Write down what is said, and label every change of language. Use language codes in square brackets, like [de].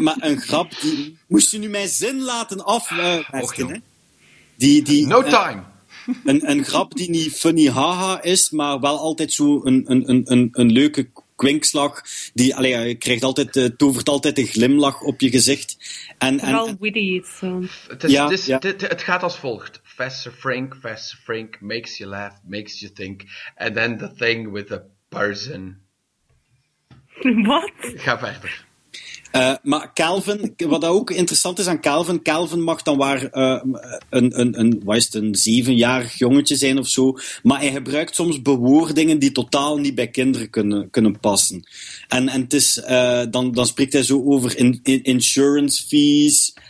[nl] Maar een grap, die moest je nu mijn zin laten afwerken, hè? [en] No time. [nl] Een grap die niet funny, haha is, maar wel altijd zo een leuke kwinkslag. Tovert altijd een glimlach op je gezicht. Wel witty, zo. Het gaat als volgt. [en] Fester Frank makes you laugh, makes you think, and then the thing with a person. [nl] Wat? Ga verder. Maar Calvin, wat ook interessant is aan Calvin, Calvin mag dan waar een zevenjarig jongetje zijn of zo, maar hij gebruikt soms bewoordingen die totaal niet bij kinderen kunnen passen. En dan spreekt hij zo over insurance fees.